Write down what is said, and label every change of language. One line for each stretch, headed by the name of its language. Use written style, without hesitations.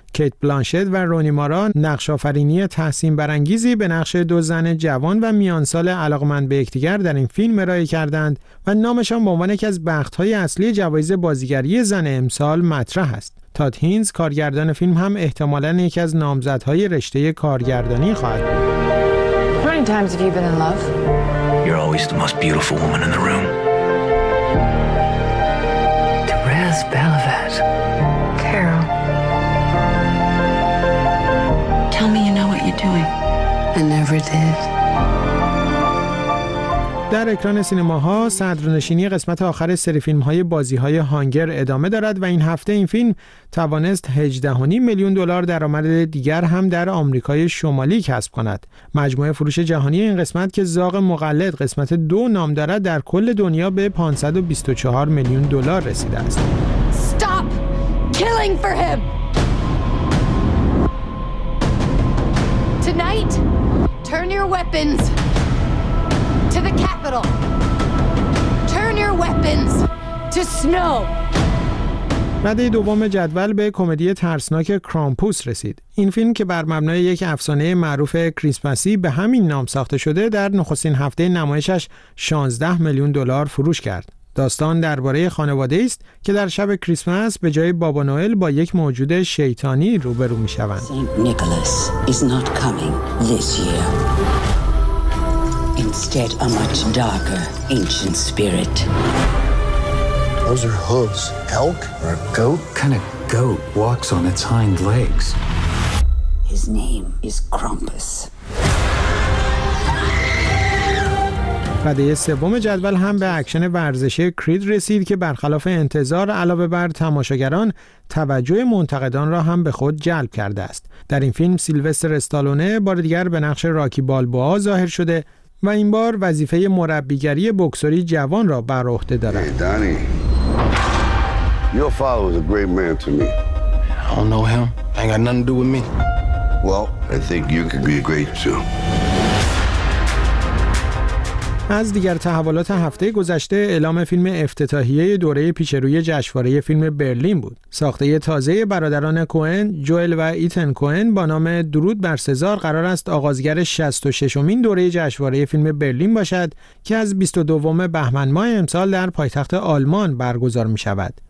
Persian: کیت بلانشت و رونی مارا نقش‌آفرینی تحسین برانگیزی به نقش دو زن جوان و میانسال علاقمند به یکدیگر در این فیلم ارائه کردند و نامشان به عنوان یکی از بخت‌های اصلی جوایز بازیگری زن امسال مطرح است. تات هینز کارگردان فیلم هم احتمالاً یکی از نامزدهای رشته کارگردانی خواهد بود.
English: You're always the most beautiful woman in the room. Therese Belavet. Carol. Tell me you know what you're doing. I never did.
Persian: در اکران سینماها صدرنشینی قسمت آخر سری فیلم‌های بازی‌های هانگر ادامه دارد و این هفته این فیلم توانست 18.5 میلیون دلار درآمد دیگر هم در آمریکای شمالی کسب کند. مجموعه فروش جهانی این قسمت که زاغ مقلد قسمت 2 نام دارد در کل دنیا به 524 میلیون دلار رسیده است.
English: Stop killing for him. Tonight Turn your weapons to the capital. Turn your weapons to snow.
Persian: رده دوم جدول به کمدی ترسناک کرامپوس رسید. این فیلم که بر مبنای یک افسانه معروف کریسمسی به همین نام ساخته شده، در نخستین هفته نمایشش 16 میلیون دلار فروش کرد. داستان درباره خانواده است که در شب کریسمس به جای بابا نوئل با یک موجود شیطانی روبرو می شوند.
English: Saint Nicholas is not coming this year. Instead a much darker ancient spirit. Those are hooves. Elk or a goat? Kind of goat walks on its hind legs. His name is Krampus.
Persian: رده سوم جدول هم به اکشن ورزشی کرید رسید که برخلاف انتظار علاوه بر تماشاگران، توجه منتقدان را هم به خود جلب کرده است. در این فیلم سیلوستر استالونه بار دیگر به نقش راکی بالبوا ظاهر شده و این بار وظیفه مربیگری بکسوری جوان را بر عهده دارد.
English: Hey, Danny. Your father was a great man to me. I don't know him. I ain't got nothing to do with me. Well, I think you could be great too.
Persian: از دیگر تحولات هفته گذشته اعلام فیلم افتتاحیه دوره پیشروی جشنواره فیلم برلین بود. ساخته تازه برادران کوئن، جوئل و ایتن کوئن با نام درود بر سزار قرار است آغازگر 66مین دوره جشنواره فیلم برلین باشد که از 22 بهمن ماه امسال در پایتخت آلمان برگزار می‌شود.